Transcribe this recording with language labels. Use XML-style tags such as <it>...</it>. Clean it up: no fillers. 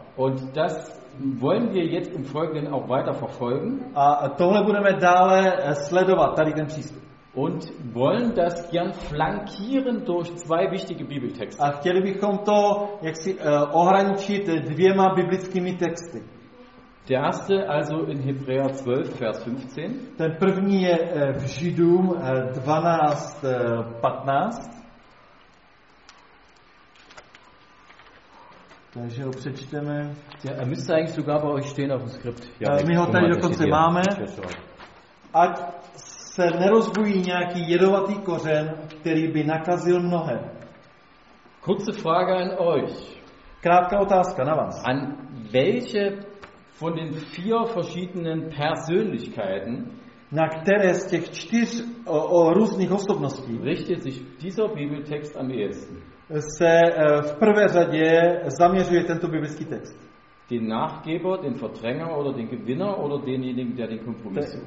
<de>Und das wollen wir jetzt im Folgenden auch weiter verfolgen.</de> <cs>A tohle budeme dále sledovat, tady ten přístup.</cs> <de>Und wollen das gern flankieren durch zwei wichtige Bibeltexte.</de> <cs>A chtěli bychom to jaksi ohraničit dvěma biblickými texty.</cs> <de>Der erste also in Hebräer 12, Vers 15.</de> <cs>Ten první je v Židům 12, 15. Takže ho přečteme.</cs> <de>Ja, müsste eigentlich sogar bei euch stehen auf dem Skript.</de> <cs>Ja, my ho tady dokonce máme. Ať se nerozbují nějaký jedovatý kořen, který by nakazil mnohé.</cs> <de>Kurze Frage an euch.</de> <cs>Krátká otázka na vás.</cs> <de>An welche von den vier verschiedenen Persönlichkeiten,</de> <cs>na které z těch čtyř různých osobností,</cs> <de>richtet sich dieser Bibeltext am ehesten?</de> <cs>Se v prvé řadě zaměřuje tento biblický text.</cs> <de>Den Nachgeber, den Verdränger oder den Gewinner oder denjenigen, der den Kompromiss sucht.</de>